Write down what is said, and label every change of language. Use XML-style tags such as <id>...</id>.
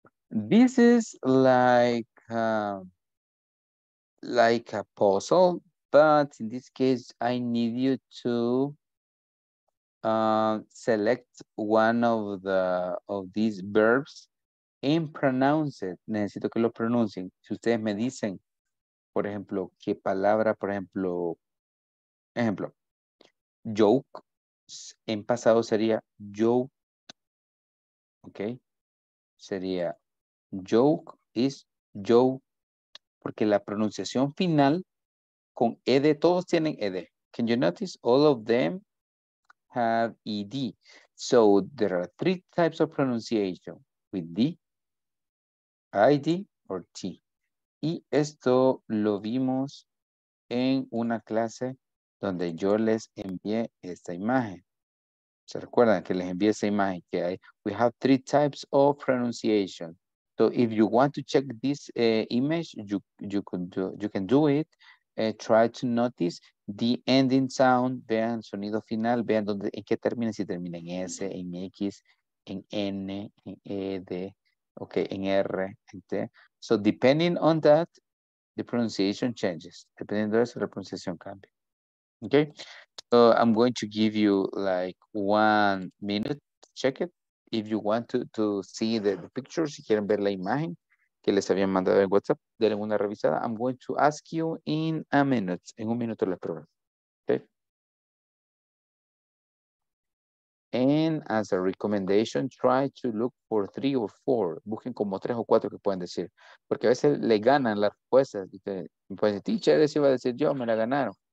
<en>This is like a puzzle. But in this case, I need you to select one of the of these verbs and pronounce it.</en> <es>Necesito que lo pronuncien. Si ustedes me dicen, por ejemplo, qué palabra, por ejemplo, joke, en pasado sería joked, okay? Sería joke is joked, porque la pronunciación final con ed, todos tienen ed.</es> <en>Can you notice? All of them have ed. So there are three types of pronunciation with d, id, or t.</en> <es>Y esto lo vimos en una clase donde yo les envié esta imagen. ¿Se recuerdan que les envié esa imagen? Que hay,</es> <en>we have three types of pronunciation. So if you want to check this image, you can do it. Try to notice the ending sound,</en> <es>vean sonido final, vean dónde, en qué termina, si termina en S, en X, en N, en E, D, okay, en R, en T.</es> <en>So depending on that, the pronunciation changes.</en> <es>Dependiendo de eso, la pronunciación cambia.</es> <en>Okay, so I'm going to give you like 1 minute to check it. If you want to see the picture,</en> <es>si quieren ver la imagen que les habían mandado en WhatsApp, denle una revisada.</es> <en>I'm going to ask you in a minute.</en> <es>En un minuto les pregunto.</es> <en>Okay. And as a recommendation, try to look for 3 or 4.</en> <es>Busquen como 3 o 4 que pueden decir. Porque a veces le ganan las respuestas. Pues el teacher iba a decir yo, me la ganaron.</es>